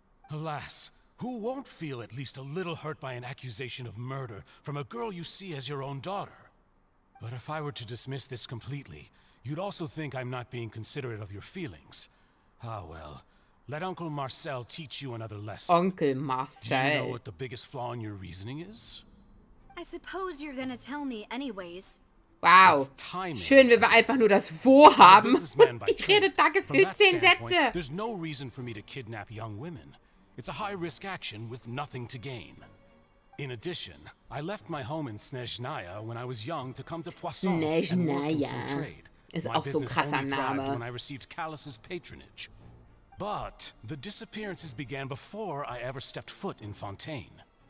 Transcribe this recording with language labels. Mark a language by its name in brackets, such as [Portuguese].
[English] Alas, who won't feel at least a little hurt by an accusation of murder from a girl you see as your own daughter? But if I were to dismiss this completely, you'd also think I'm not being considerate of your feelings. Ah, well. Let Uncle Marcel teach you another lesson. Uncle Marcel. Do you know what the biggest flaw in your reasoning is? I suppose you're gonna tell me anyways. Wow. [German] Schön, wenn wir einfach nur das Wo haben. Die redet da gefühlt 10 Sätze. [English] There's no reason for me to kidnap young women. It's a high-risk action with nothing to gain. In addition, I left my home in Snezhnaya when I was young to come to Poisson and work in some trade. [German] Ist auch so ein krasser Name. [English] My business only thrived when I received Callus's patronage. But the disappearances began before I ever stepped foot in Fontaine.